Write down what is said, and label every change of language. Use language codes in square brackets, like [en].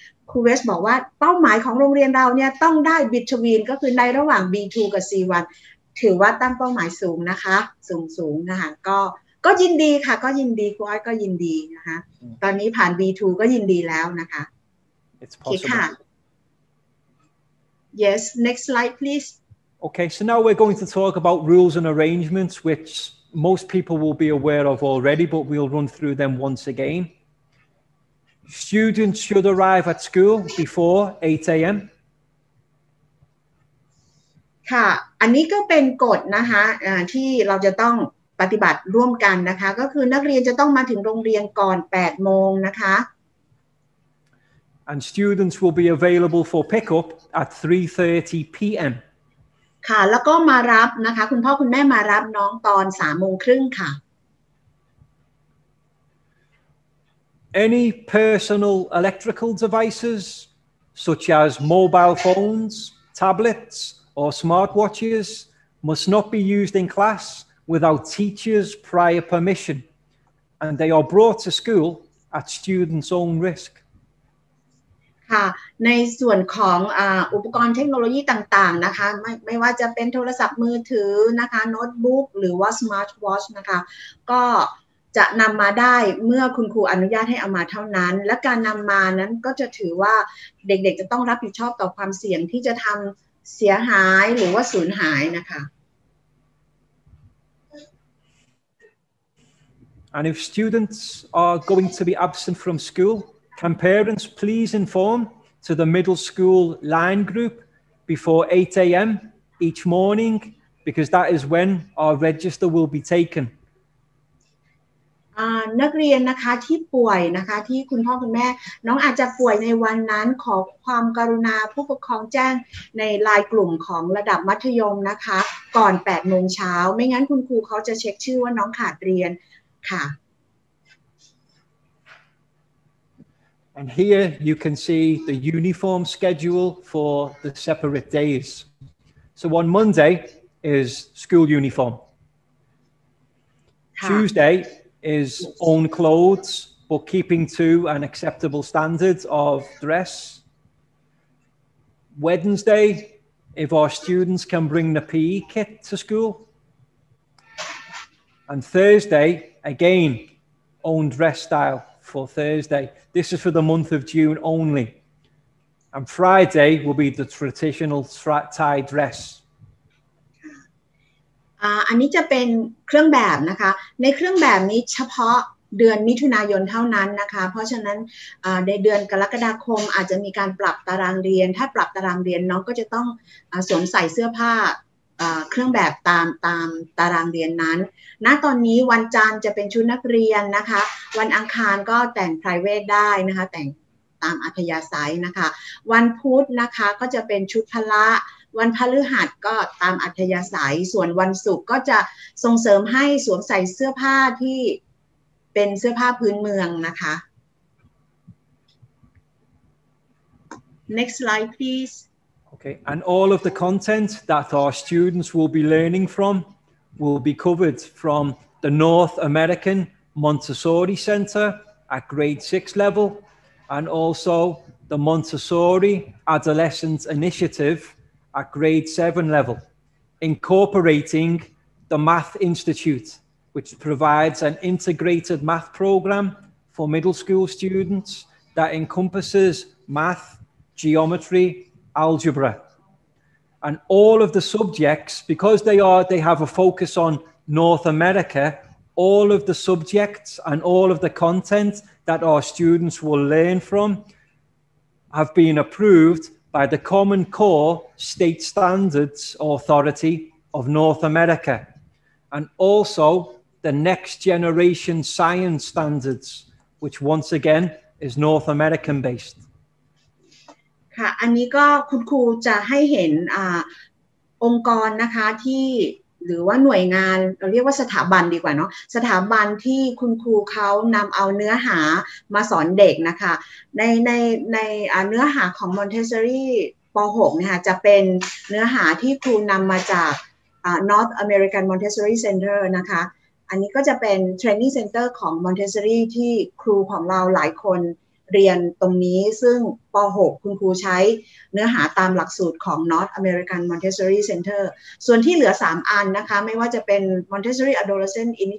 [th] ครูเวสบอกว่าเป้าหมายของโรงเรียนเราเนี่ยต้องได้ between ก็คือในระหว่าง B2 กับ C1 ถือว่าตั้งเป้าหมายสูงนะคะสูงนะคะก็ยินดีค่ะก็ยินดีครูอ้อยก็ยินดีนะคะตอนนี้ผ่าน B2 ก็ยินดีแล้วนะคะ ค่ะ [en] Yes, next slide please. Okay, so now we're going to talk about rules and arrangements whichMost people will be aware of already, but we'll run through them once again. Students should arrive at school before 8 a.m. [th] ค่ะอันนี้ก็เป็นกฎนะคะที่เราจะต้องปฏิบัติร่วมกันนะคะก็คือนักเรียนจะต้องมาถึงโรงเรียนก่อน 8 โมงนะคะ [en] And students will be available for pickup at 3:30 p.m. [th] ค่ะแล้วก็มารับนะคะคุณพ่อคุณแม่มารับน้องตอน 3:30 ค่ะ [en] Any personal electrical devices such as mobile phones, tablets or smartwatches must not be used in class without teachers' prior permission and they are brought to school at students' own risk. [th] ในส่วนของอุปกรณ์เทคโนโลยีต่างๆนะคะไม่ว่าจะเป็นโทรศัพท์มือถือนะคะโน้ตบุ๊กหรือว่าสมาร์ทวอชนะคะก็จะนำมาได้เมื่อคุณครูอนุญาตให้เอามาเท่านั้นและการนำมานั้นก็จะถือว่าเด็กๆจะต้องรับผิดชอบต่อความเสี่ยงที่จะทำเสียหายหรือว่าสูญหายนะคะ [en] And if students are going to be absent from schoolCan parents please inform to the middle school line group before 8 a.m. each morning because that is when our register will be taken. [th] นักเรียนนะคะที่ป่วยนะคะที่คุณพ่อคุณแม่น้องอาจจะป่วยในวันนั้นขอความกรุณาผู้ปกครองแจ้งในไลน์กลุ่มของระดับมัธยมนะคะก่อน 8 โมงเช้าไม่งั้นคุณครูเขาจะเช็คชื่อว่าน้องขาดเรียนค่ะ [en] And here you can see the uniform schedule for the separate days. So on Monday is school uniform. Tuesday is own clothes, but keeping to an acceptable standard of dress. Wednesday, if our students can bring the PE kit to school. And Thursday, again, own dress style. For Thursday, this is for the month of June only, and Friday will be the traditional Thai dress. [th] อันนี้จะเป็นเครื่องแบบนะคะในเครื่องแบบนี้เฉพาะเดือนมิถุนายนเท่านั้นนะคะเพราะฉะนั้นในเดือนกรกฎาคมอาจจะมีการปรับตารางเรียนถ้าปรับตารางเรียนน้องก็จะต้องสวมใส่เสื้อผ้า เครื่องแบบตามตารางเรียนนั้นณตอนนี้วันจันทร์จะเป็นชุดนักเรียนนะคะวันอังคารก็แต่ง private ได้นะคะแต่งตามอัธยาศัยนะคะวันพุธนะคะก็จะเป็นชุดพละวันพฤหัสก็ตามอัธยาศัยส่วนวันศุกร์ก็จะส่งเสริมให้สวมใส่เสื้อผ้าที่เป็นเสื้อผ้าพื้นเมืองนะคะ [en] next slide please Okay, and all of the content that our students will be learning from will be covered from the North American Montessori Center at grade 6 level and also the Montessori Adolescent Initiative at grade 7 level, incorporating the Math Institute, which provides an integrated math program for middle school students that encompasses math, geometry,algebra and all of the subjects because they have a focus on North America all of the subjects and all of the content that our students will learn from have been approved by the Common Core State Standards Authority of North America and also the Next Generation Science Standards which once again is North American based [th] ค่ะอันนี้ก็คุณครูจะให้เห็นองค์กรนะคะที่หรือว่าหน่วยงานเราเรียกว่าสถาบันดีกว่าเนาะสถาบันที่คุณครูเขานำเอาเนื้อหามาสอนเด็กนะคะใน เนื้อหาของ Montessori ป.6 นะคะจะเป็นเนื้อหาที่ครูนำมาจากNorth American Montessori Center นะคะอันนี้ก็จะเป็น Training Center ของ Montessori ที่ครูของเราหลายคนเรียนตรงนี้ซึ่งป.6 คุณครูใช้เนื้อหาตามหลักสูตรของ North American Montessori Center ส่วนที่เหลือ3อันนะคะไม่ว่าจะเป็น Montessori Adolescent